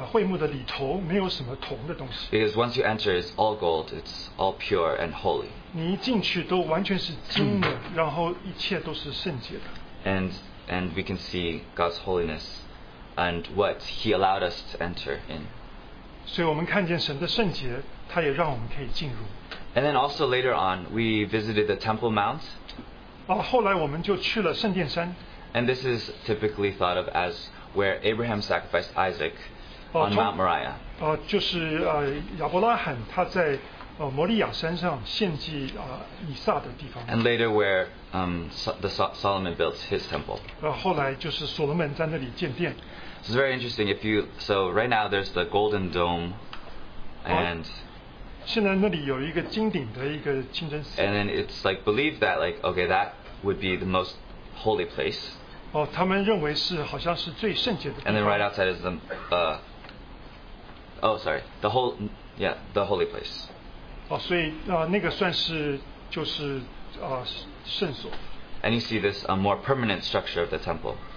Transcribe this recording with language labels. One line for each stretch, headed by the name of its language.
Chinese: 我注意到就是在那个会幕的里头没有什么铜的东西。
English: Because once you enter, it's all gold, it's all pure and holy.
Chinese: 你一进去都完全是金的, 然后一切都是圣洁的。
English: And we can see God's holiness and what He allowed us to enter in.
Chinese: 所以我们看见神的圣洁, 祂也让我们可以进入。
English: And then also later on, we visited the Temple Mount.
Chinese: 后来我们就去了圣殿山。
English: And this is typically thought of as where Abraham sacrificed Isaac on Mount Moriah.
Chinese: 就是亚伯拉罕他在 摩利亚山上献祭, 以撒的地方。
English: And later where Solomon built his temple.
Chinese: 后来就是所罗门在那里建殿。
English: It's very interesting if you, so right now there's the golden dome and
Chinese: 现在那里有一个金顶的一个清真寺。
English: And then it's like believed that like, okay, that would be the most holy place.
Chinese: 他们认为是好像是最圣洁的。
English: And then right outside is the the holy place.
Chinese: 所以那个算是就是圣所。
English: And you see this more permanent structure of the temple.